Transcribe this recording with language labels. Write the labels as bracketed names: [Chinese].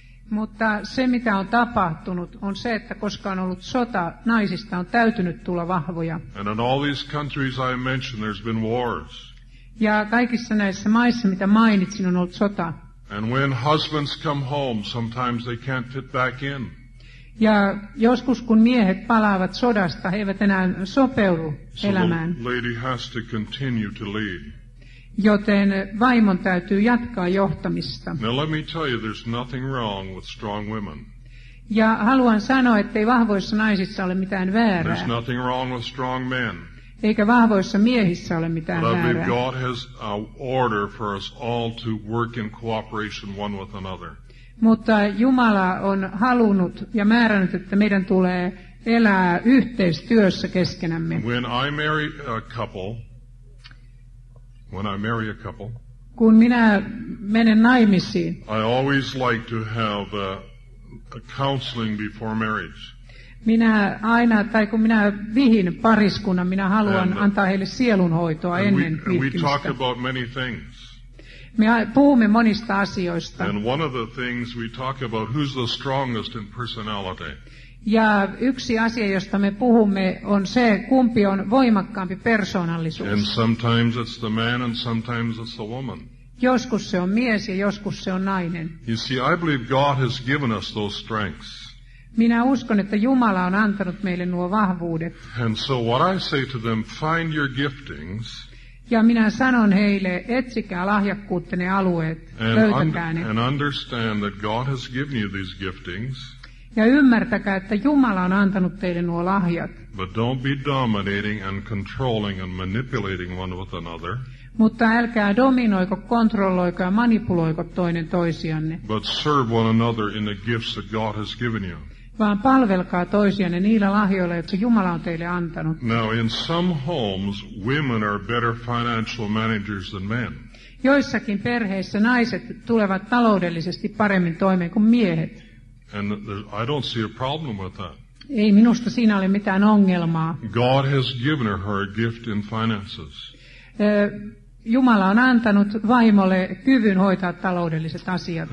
[Finnish] Mutta se, mitä on tapahtunut, on se, että koska on ollut sota, naisista on täytynyt tulla vahvoja. [English] And in all these countries I mentioned, there's been wars. [Finnish] Ja kaikissa näissä maissa, mitä mainitsin, on ollut sota. [English] And when husbands come home, sometimes they can't fit back in. [Finnish] Ja joskus, kun miehet palaavat sodasta, he eivät enää sopeudu elämään. [English] So the lady has to continue to lead. [Finnish] Joten vaimon täytyy jatkaa johtamista. [English] Now let me tell you, there's nothing wrong with strong women. [Finnish] Ja haluan sanoa, ettei vahvoissa naisissa ole mitään väärää. [English] There's nothing wrong with strong men. [Finnish] Eikä vahvoissa miehissä ole mitään väärää. [English] But I believe God has a order for us all to work in cooperation one with another. [Finnish] Mutta Jumala on halunnut ja määrännyt, että meidän tulee elää yhteistyössä keskenämme. [English] When I marry a couple, [Finnish] kun minä menen naimisiin, [English] I always like to have a counseling before marriage. [Finnish] Minä aina, tai kun minä vihin pariskunnan, minä haluan antaa heille sielunhoitoa ennen vihkimistä. [English] We talk about many things. [Finnish] Me puhumme monista asioista. [English] And one of the things we talk about, who's the strongest in personality? [Finnish] Ja yksi asia, josta me puhumme, on se, kumpi on voimakkaampi persoonallisuus. [English] And sometimes it's the man and sometimes it's the woman. [Finnish] Joskus se on mies ja joskus se on nainen. [English] You see, I believe God has given us those strengths. [Finnish] Minä uskon, että Jumala on antanut meille nuo vahvuudet. [English] And so what I say to them, find your giftings. [Finnish] Ja minä sanon heille, etsikää lahjakkuuttenne alueet, löytäkää ne. [English] And understand that God has given you these giftings. [Finnish] Ja ymmärtäkää, että Jumala on antanut teille nuo lahjat. [English] But don't be dominating and controlling and manipulating one with another. [Finnish] Mutta älkää dominoiko, kontrolloiko ja manipuloiko toinen toisianne. [English] But serve one another in the gifts that God has given you. [Finnish] Vaan palvelkaa toisianne niillä lahjoilla, jotka Jumala on teille antanut. [English] Now in some homes, women are better financial managers than men. [Finnish] Joissakin perheissä naiset tulevat taloudellisesti paremmin toimeen kuin miehet. [English] And I don't see a problem with that. [Finnish] Ei minusta siinä ole mitään ongelmaa. [English] God has given her a gift in finances. [Finnish] Jumala on antanut vaimolle kyvyn hoitaa taloudelliset asiat.